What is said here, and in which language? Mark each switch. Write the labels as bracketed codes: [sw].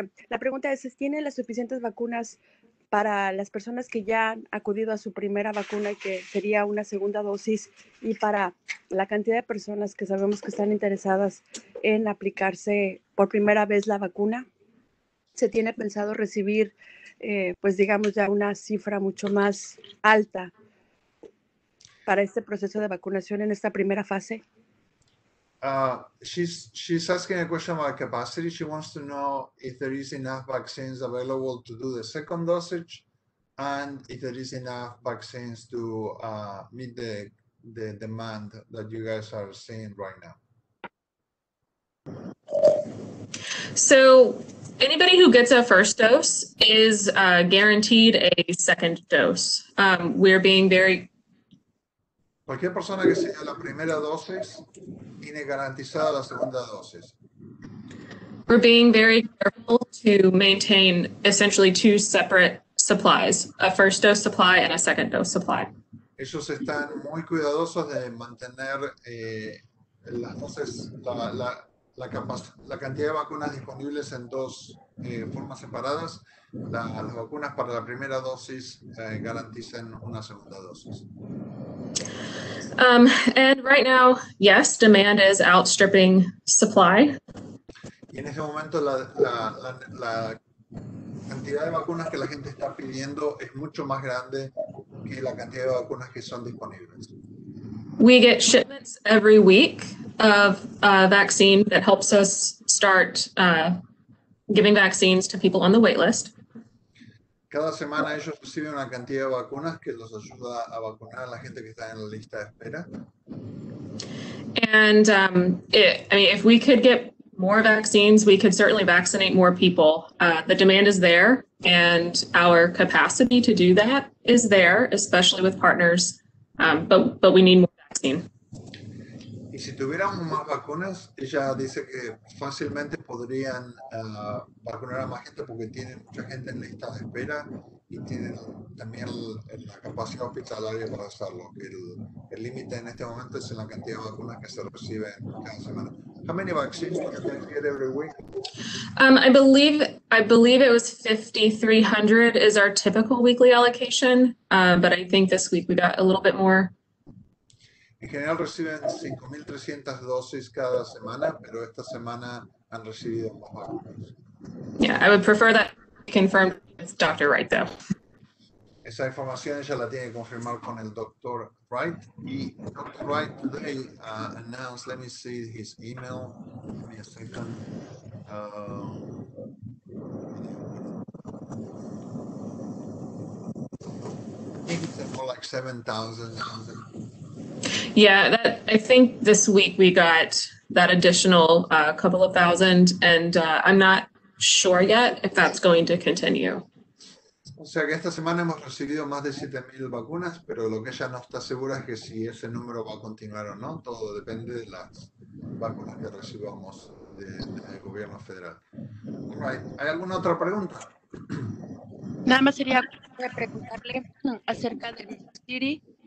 [es] La pregunta es, ¿tiene las suficientes vacunas para las personas que ya han acudido a su primera vacuna y que sería una segunda dosis y para la cantidad de personas que sabemos que están interesadas en aplicarse por primera vez la vacuna? ¿Se tiene pensado recibir, pues digamos, ya una cifra mucho más alta para este proceso de vacunación en esta primera fase? [en] She's asking a question about capacity. She wants to know if there is enough vaccines available to do the second dosage and if there is enough vaccines to meet the demand that you guys are seeing right now. So anybody who gets a first dose is guaranteed a second dose. We're being very... [es] Cualquier persona que se dio la primera dosis tiene garantizada la segunda dosis. [en] We're being very careful to maintain essentially two separate supplies, a first dose supply and a second dose supply. [es] Ellos están muy cuidadosos de mantener las dosis, la cantidad de vacunas disponibles en dos formas separadas. Las vacunas para la primera dosis garantizan una segunda dosis. [en] And right now, yes, demand is outstripping supply. [es] Y en este momento la cantidad de vacunas que la gente está pidiendo es mucho más grande que la cantidad de vacunas que son disponibles. [en] We get shipments every week of vaccine that helps us start giving vaccines to people on the wait list. [es] Cada semana ellos reciben una cantidad de vacunas que los ayuda a vacunar a la gente que está en la lista de espera. [en] And if we could get more vaccines, we could certainly vaccinate more people. The demand is there and our capacity to do that is there, especially with partners, but we need more vaccine. [es] Y si tuviéramos más vacunas, ella dice que fácilmente podrían vacunar a más gente porque tienen mucha gente en lista de espera y tienen también la capacidad hospitalaria para hacerlo. El límite en este momento es en la cantidad de vacunas que se reciben cada semana. [en] How many vaccines do you get every week? I believe it was 5,300 is our typical weekly allocation, but I think this week we got a little bit more. [es] En general reciben 5,300 dosis cada semana, pero esta semana han recibido más vacunas. [en] Yeah, I would prefer that confirmed with Dr. Wright, though. [es] Esa información ella la tiene que confirmar con el Dr. [en] Wright. [es] Y [en] Dr. Wright today announced, let me see his email. Give me a second. I think it's more like 7,000. Yeah, I think this week we got that additional couple of thousand, and I'm not sure yet if that's going to continue. [es] O sea que esta semana hemos recibido más de 7,000 vacunas, pero lo que ella no está segura es que si ese número va a continuar o no. Todo depende de las vacunas que recibamos del gobierno federal. [en] All right. [es] ¿Hay alguna otra pregunta? Nada más sería preguntarle acerca del City.